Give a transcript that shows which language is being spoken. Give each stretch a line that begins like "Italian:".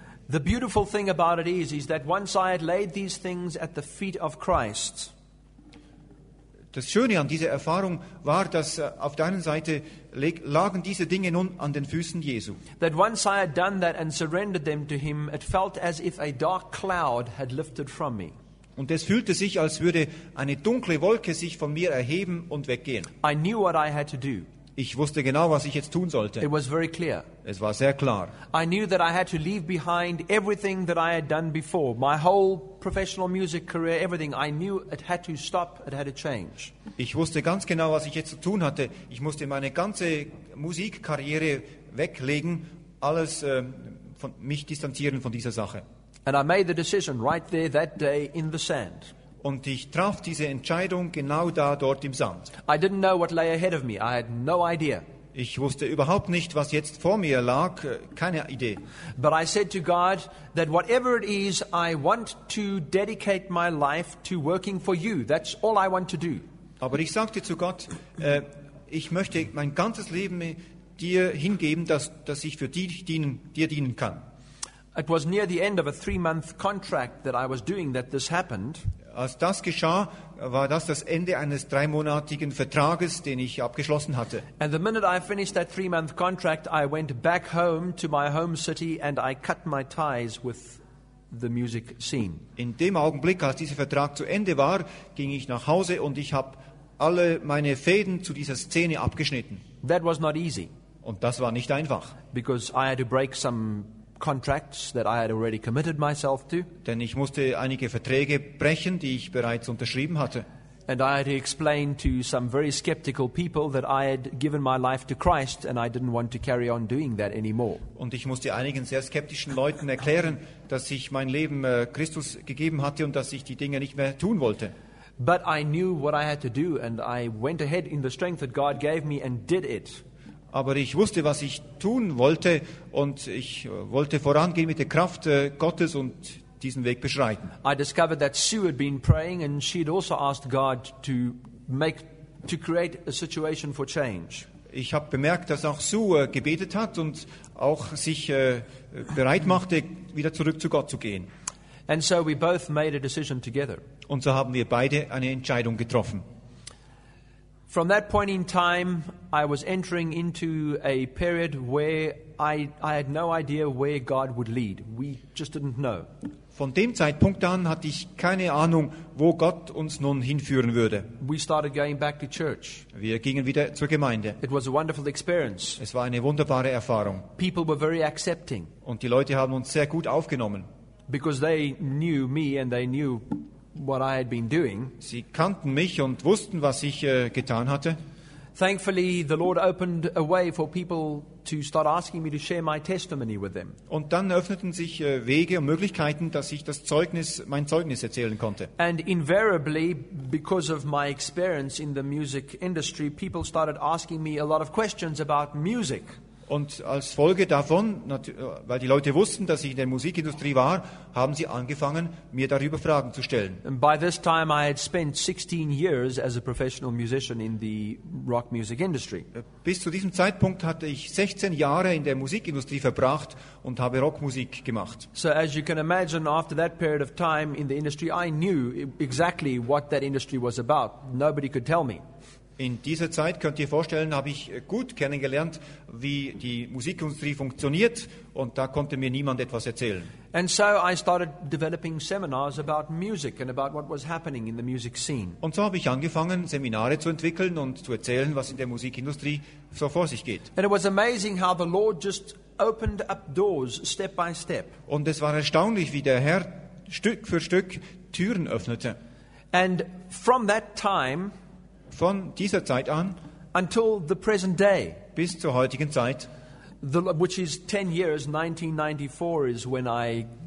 English: The beautiful thing about it is that once I had laid these things at the feet of Christ.
German: Das Schöne an dieser Erfahrung war, dass auf der einen Seite lagen diese Dinge nun an den Füßen Jesu.
English: That once I had done that and surrendered them to him, it felt as if a dark cloud had lifted from me.
German: Und es fühlte sich, als würde eine dunkle Wolke sich von mir erheben und weggehen.
English: I knew what I had to do.
German: Ich wusste genau, was ich jetzt tun sollte.
English: It was very clear.
German: Es war sehr klar.
English: I knew that I had to leave behind everything that I had done before. My whole professional music career, everything. I knew it had to stop, it had to change.
German: Ich wusste ganz genau, was ich jetzt zu tun hatte. Ich musste meine ganze Musikkarriere weglegen, alles von mich distanzieren von dieser Sache.
English: And I made the decision right there that day in the sand.
German: Und ich traf diese Entscheidung genau da dort im Sand.
English: I didn't know what lay ahead of me. I had no idea.
German: Ich wusste überhaupt nicht, was jetzt vor mir lag, keine Idee.
English: But I said to God that whatever it is, I want to dedicate my life to working for you. That's all I want to do.
German: Aber ich sagte zu Gott, ich möchte mein ganzes Leben dir hingeben, dass ich für dir dienen kann.
English: It was near the end of a 3-month contract that I was doing that this happened.
German: Als das geschah, war das Ende eines 3-monatigen Vertrages, den ich abgeschlossen hatte.
English: And the minute I finished that 3-month contract, I went back home to my home city and I cut my ties with the music scene.
German: In dem Augenblick, als dieser Vertrag zu Ende war, ging ich nach Hause und ich habe alle meine Fäden zu dieser Szene abgeschnitten.
English: That was not easy.
German: Und das war nicht einfach.
English: Because I had to break some contracts that I had already committed myself to.
German: Denn ich musste einige Verträge brechen, die ich bereits unterschrieben hatte.
English: And I had to explain to some very skeptical people that I had given my life to Christ and I didn't want to carry on doing that anymore.
German: Und ich musste einigen sehr skeptischen Leuten erklären, dass ich mein Leben Christus gegeben hatte und dass ich die Dinge nicht mehr tun wollte.
English: But I knew what I had to do and I went ahead in the strength that God gave me and did it.
German: Aber ich wusste, was ich tun wollte, und ich wollte vorangehen mit der Kraft Gottes und diesen Weg beschreiten.
English: I discovered that Sue had been praying and she had also asked God to create a situation for change.
German: Ich habe bemerkt, dass auch Sue gebetet hat und auch sich bereit machte, wieder zurück zu Gott zu gehen.
English: And so we both made a decision together.
German: Und so haben wir beide eine Entscheidung getroffen.
English: From that point in time, I was entering into a period where I had no idea where God would lead. We just didn't know.
German: Von dem Zeitpunkt an hatte ich keine Ahnung, wo Gott uns nun hinführen würde.
English: We started going back to church.
German: Wir gingen wieder zur Gemeinde.
English: It was a wonderful experience.
German: Es war eine wunderbare Erfahrung.
English: People were very accepting.
German: Und die Leute haben uns sehr gut aufgenommen.
English: Because they knew me and they knew what I had been doing.
German: Sie kannten mich und wussten, was ich getan hatte.
English: Thankfully, the Lord opened a way for people to start asking me to share my testimony with them.
German: Und dann öffneten sich Wege und Möglichkeiten, dass ich mein Zeugnis erzählen konnte.
English: And invariably, because of my experience in the music industry, people started asking me a lot of questions about music.
German: Und als Folge davon, weil die Leute wussten, dass ich in der Musikindustrie war, haben sie angefangen, mir darüber Fragen zu stellen.
English: And by this time I had spent 16 years as a professional musician in the rock music industry.
German: Bis zu diesem Zeitpunkt hatte ich 16 Jahre in der Musikindustrie verbracht und habe Rockmusik gemacht.
English: So as you can imagine, after that period of time in the industry, I knew exactly what that industry was about. Nobody could tell me.
German: In dieser Zeit, könnt ihr vorstellen, habe ich gut kennengelernt, wie die Musikindustrie funktioniert, und da konnte mir niemand etwas erzählen.
English: And so I started developing seminars about music and about what was happening in the music scene.
German: Und so habe ich angefangen, Seminare zu entwickeln und zu erzählen, was in der Musikindustrie so vor sich geht.
English: And it was amazing how the Lord just opened up doors step by step.
German: Und es war erstaunlich, wie der Herr Stück für Stück Türen öffnete.
English: And from that time,
German: von dieser Zeit an,
English: until the present day,
German: bis zur heutigen Zeit,
English: which is 10 years, 1994 is when I